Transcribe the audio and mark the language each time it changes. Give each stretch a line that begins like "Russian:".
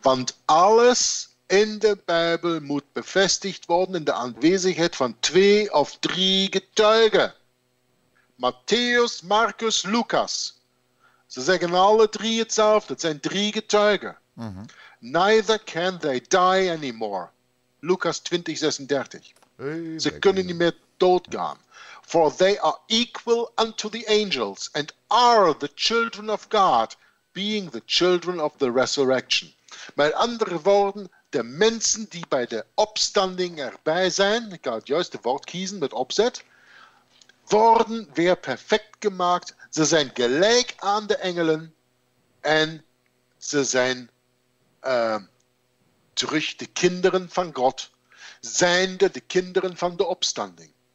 Dutch: Want alles in de Bijbel moet bevestigd worden in de aanwezigheid van twee of drie getuigen. Matthäus, Marcus, Lucas. Ze zeggen alle drie hetzelfde. Het zijn drie getuigen. Mm-hmm.
English: Neither can they die anymore. Lucas 20, 36. Hey,
Dutch: ze kunnen niet meer doodgaan.
English: For they are equal unto the angels and are the children of God, being the children of the resurrection.
Dutch: Met andere woorden, de mensen die bij de opstanding erbij zijn, ik ga het juiste woord kiezen met opzet, worden weer perfect gemaakt. Ze zijn gelijk aan de engelen en ze zijn terug de kinderen van God, zijnde de kinderen van de opstanding.